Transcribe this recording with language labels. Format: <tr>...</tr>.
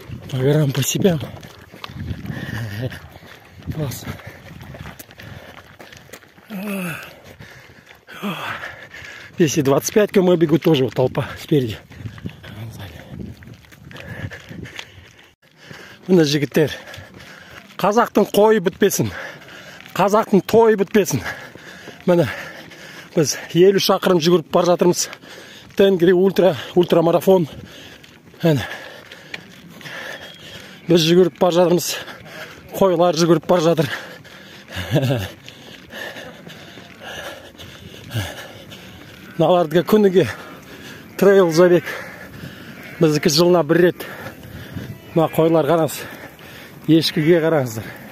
<ru>По горам, по себе. Класс. Если 25 км бегу, тоже вот толпа спереди.</ru> <kk>Мына жігіттер, қазақтың қойы бітпесін, қазақтың тойы бітпесін. Мына біз 50 шақырым жүгіріп бара жатырмыз. Тенгри ультра, ультрамарафон. Мына біз жүгіріп бара жатырмыз. Қойлар жүгіріп бара жатыр. Наларды күніге трейл забег. Біздікі жылына бір рет. Мына қойлар қараңыз. Ешкіге қараңыздар.</kk>